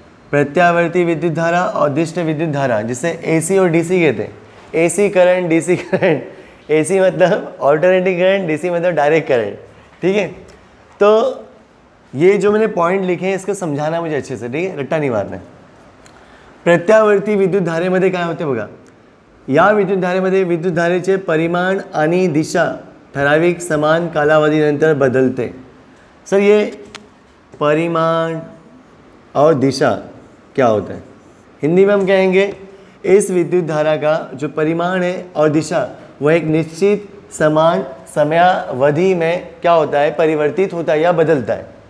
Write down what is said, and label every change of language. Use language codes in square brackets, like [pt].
[hi] प्रत्यावर्ती विद्युत धारा और दिष्ट विद्युत धारा, जिसे एसी और डीसी कहते हैं। AC current, DC current. AC मतलब ऑल्टरनेटिंग करंट, डीसी मतलब डायरेक्ट करंट, ठीक है। तो ये जो मैंने पॉइंट लिखे हैं, इसको समझाना मुझे अच्छे से, ठीक है, रट्टा नहीं मारना है। [mr] प्रत्यावर्ती विद्युत धारेमध्ये काय होते बघा, या विद्युत धारेमध्ये विद्युत धारेचे परिमाण आणि दिशा ठराविक समान कालावधीनंतर बदलते। [hi] सर, ये परिमाण और दिशा क्या होता है? हिंदी में हम कहेंगे इस विद्युत धारा का जो परिमाण है और दिशा, वह एक निश्चित समान समयावधि में क्या होता है, परिवर्तित होता है या बदलता है।